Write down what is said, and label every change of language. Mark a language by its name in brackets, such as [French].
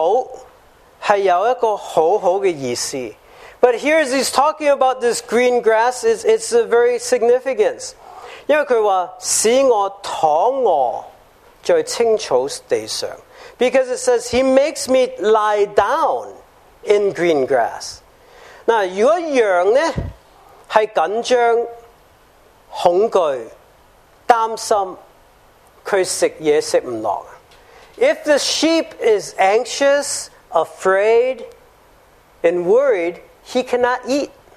[Chinese] 但是这个青草是有一个好好的意思。 [English] But here, as he's talking about this green grass, it's a very significance. [Chinese] 因为他说,使我躺卧在青草地上, [English] because it says, he makes me lie down in green grass. [Chinese] 那如果羊呢,是紧张,恐惧,担心,他吃也吃不落。 [English] If the sheep is anxious, afraid, and worried, he cannot eat.